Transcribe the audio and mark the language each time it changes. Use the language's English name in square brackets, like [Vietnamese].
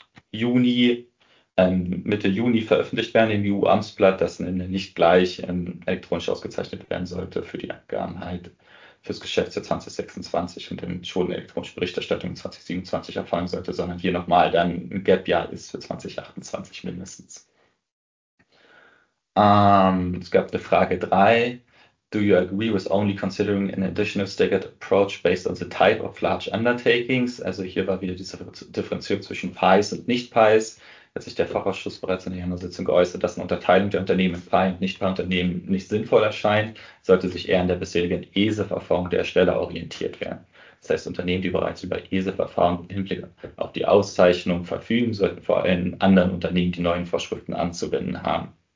[German] Mitte Juni veröffentlicht werden im EU-Amtsblatt, dass nicht gleich elektronisch ausgezeichnet werden sollte für die Abgaben halt fürs Geschäftsjahr 2026 und dann schon eine elektronische Berichterstattung 2027 erfolgen sollte, sondern hier nochmal dann ein Gap-Jahr ist für 2028 mindestens. Es gab eine Frage 3. [English] Do you agree with only considering an additional staggered approach based on the type of large undertakings? [German] Also hier war wieder diese Differenzierung zwischen PIES und Nicht-PIES. Hat sich der Fachausschuss bereits in der Januarsitzung geäußert, dass eine Unterteilung der Unternehmen in PIE und Nicht-PIE-Unternehmen nicht sinnvoll erscheint, sollte sich eher an der bisherigen ESEF-Erfahrung der Ersteller orientiert werden. Das heißt, Unternehmen, die bereits über ESEF-Erfahrung im Hinblick auf die Auszeichnung verfügen, sollten vor allem anderen Unternehmen die neuen Vorschriften anzuwenden haben.